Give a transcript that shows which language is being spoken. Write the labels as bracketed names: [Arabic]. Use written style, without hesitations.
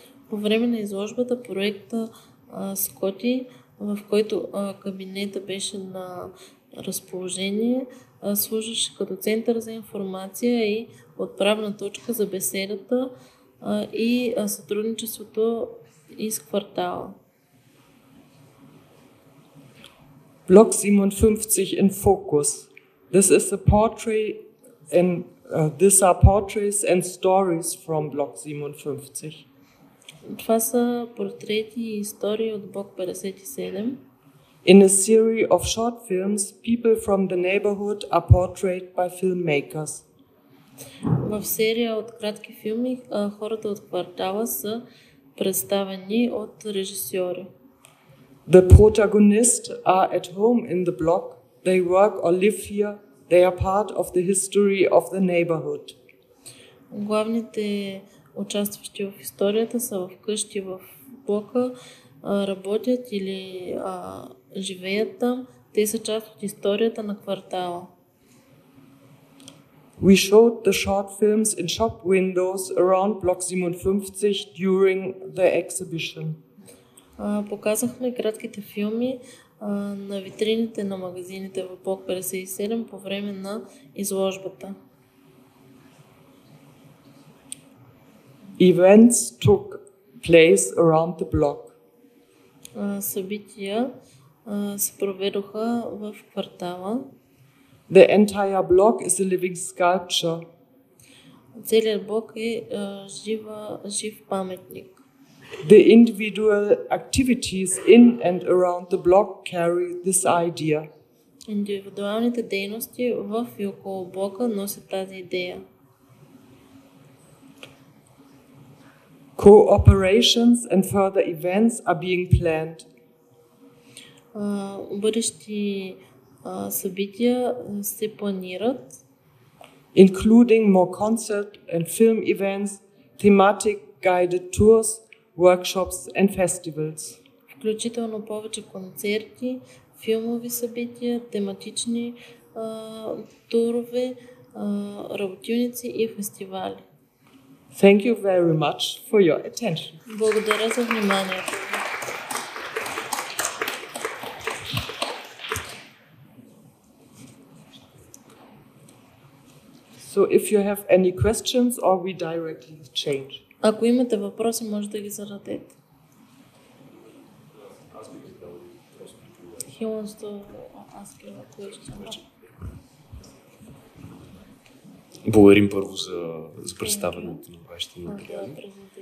[Bulgarian] По време на изложбата проекта Скоти, в който кабинета беше на разположение, служеше като център за информация и отправна точка за беседата и сътрудничеството из квартала. [English] Block 57 in focus. This is a portrait and these are portraits and stories from Block 57. [Bulgarian] Това са портрети и истории от блок 57. [English] In a series of short films, people from the neighborhood are portrayed by filmmakers. [Bulgarian] В серия от кратки филми хората от квартала са представени от режисьори. [English] The protagonists are at home in the block. They work or live here. They are part of the history of the neighborhood. [Bulgarian] Главните участващи в историята са вкъщи в блока, работят или живеят там. Те са част от историята на квартала. [English] We showed the short films in shop windows around block 57 during the exhibition. [Bulgarian] Показахме кратките филми на витрините на магазините в блок 57 по време на изложбата. [English] Events took place around the block. [Bulgarian] Събития се проведоха в квартала. [English] The entire block is a living sculpture. [Bulgarian] Целият блок е жив паметник. [English] The individual activities in and around the block carry this idea. [Bulgarian] Индивидуалните дейности в и около блока носят тази идея. [English] Cooperations and further events are being planned. [Bulgarian] Бъдещи събития се планират. [English] Including more concert and film events, thematic guided tours, workshops and festivals. [Bulgarian] Включително повече концерти, филмови събития, тематични турове, работилници и фестивали. [English] Thank you very much for your attention. [Bulgarian] Благодаря за вниманието. [English] So if you have any questions or we directly change. [Bulgarian] Ако имате въпроси, може да ги зададете. [English] He wants to ask you a question. [Bulgarian] Благодарим първо за, за представянето на вашите материали.